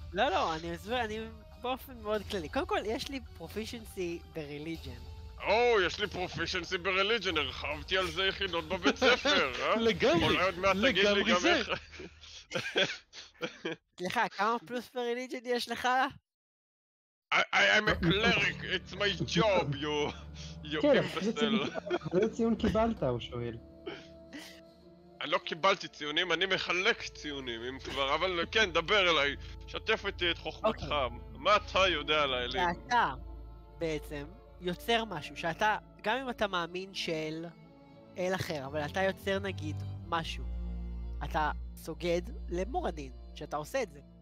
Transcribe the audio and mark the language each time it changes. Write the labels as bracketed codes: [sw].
[he] לא, לא, אני מסביר, אני באופן מאוד כללי. קודם כל, יש לי proficiency ב-religion. או, יש לי proficiency ב-religion, הרחבתי על זה יחידות בבית ספר, אה? לגמרי, אולי עוד מעט תגיד לי גם איך... לך, כמה פלוס ב-religion יש לך? [en] I am a cleric, it's my job, you imbecile. [he] כן, איזה ציון קיבלת, הוא שואל. אני לא קיבלתי ציונים, אני מחלק ציונים, אם כבר, אבל כן, דבר אליי, שתף אותי את חוכמתך, מה אתה יודע על האלים? שאתה, בעצם, יוצר משהו, שאתה, גם אם אתה מאמין של אל אחר, אבל אתה יוצר נגיד משהו, אתה סוגד למורדין, שאתה עושה את זה.